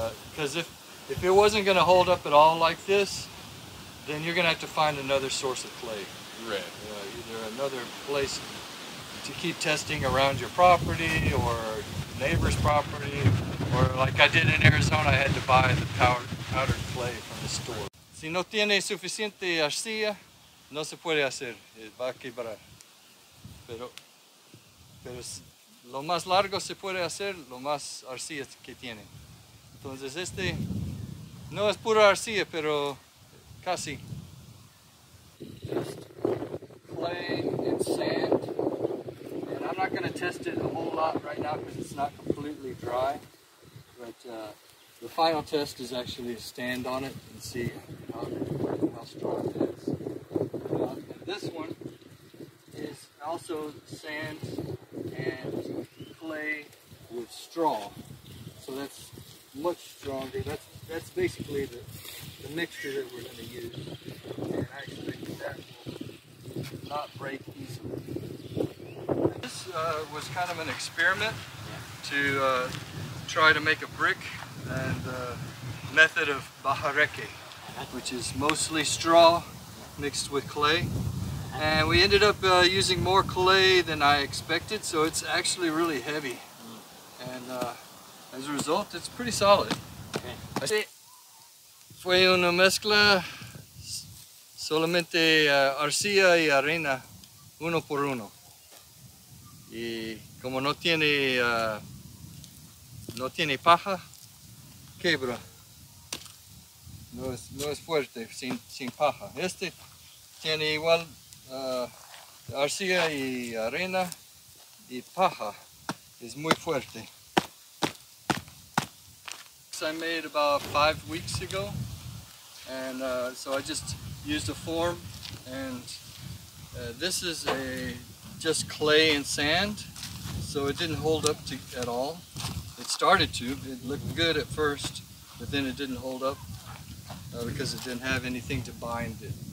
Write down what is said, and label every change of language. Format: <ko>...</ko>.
<en>Because if it wasn't going to hold up at all like this, then you're going to have to find another source of clay. Right. Either another place to keep testing around your property or neighbor's property. Or like I did in Arizona, I had to buy the powdered clay from the store.</en> <es>Si no tiene suficiente arcilla, no se puede hacer. Va a quebrar. Pero lo más largo se puede hacer, lo más arcilla que tiene. Entonces este no es pura arcilla, pero casi.</es> <en>Just clay and sand. And I'm not going to test it a whole lot right now because it's not completely dry. But the final test is actually to stand on it and see how strong it is. And this one is also sand and clay with straw. So that's much stronger. That's basically the mixture that we're going to use, and I expect that will not break easily. This was kind of an experiment to try to make a brick, and the method of Bajareque, which is mostly straw mixed with clay, and we ended up using more clay than I expected, so it's actually really heavy. And as a result, it's pretty solid. Okay.</en> <es>Fue una mezcla solamente arcilla y arena, uno por uno. Y como no tiene paja, quebra. No es fuerte sin paja. Este tiene igual arcilla y arena y paja. Es muy fuerte.</es> <en>I made about 5 weeks ago, and so I just used a form, and this is just clay and sand, so it didn't hold up at all. It started to, it looked good at first, but then it didn't hold up because it didn't have anything to bind it.</en>